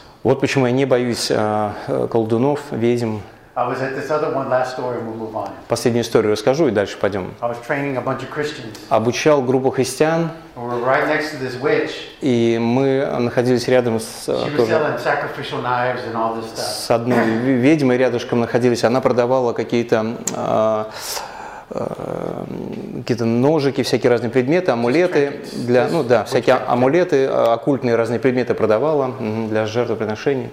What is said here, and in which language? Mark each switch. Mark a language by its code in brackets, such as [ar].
[ru] Вот почему я не боюсь колдунов, ведьм. [en] I was at this other one, last story, and we'll move on. [ru] Последнюю историю расскажу и дальше пойдем. [en] I was training a bunch of Christians. [ru] Обучал группу христиан. [en] And we're right next to this witch. [ru] И мы находились рядом с. [en] She [ru] тоже, [en] was selling sacrificial knives and all this stuff. [ru] С одной ведьмой рядышком находились. Она продавала какие-то какие-то ножики, всякие разные предметы, амулеты для, ну да, всякие амулеты, оккультные разные предметы продавала для жертвоприношений.